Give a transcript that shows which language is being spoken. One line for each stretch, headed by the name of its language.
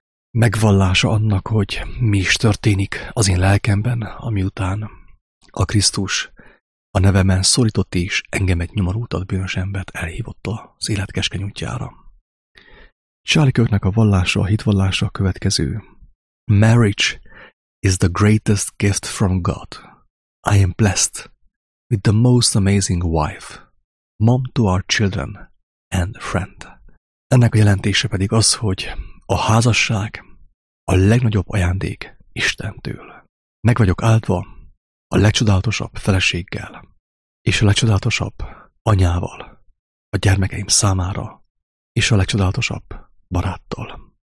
Hungarian: Megvallása annak, hogy mi is történik az én lelkemben, amiután a Krisztus a nevemen szólított és engem egy nyomorultat bűnös embert elhívott az élet keskeny útjára. Charlie Kirknek a vallása, a hitvallása a következő.
English: Marriage is the greatest gift from God. I am blessed with the most amazing wife. Mom to our children and friend.
Hungarian: Ennek a jelentése pedig az, hogy a házasság a legnagyobb ajándék Istentől. Meg vagyok áldva a legcsodálatosabb feleséggel és a legcsodálatosabb anyával a gyermekeim számára és a legcsodálatosabb baráttal.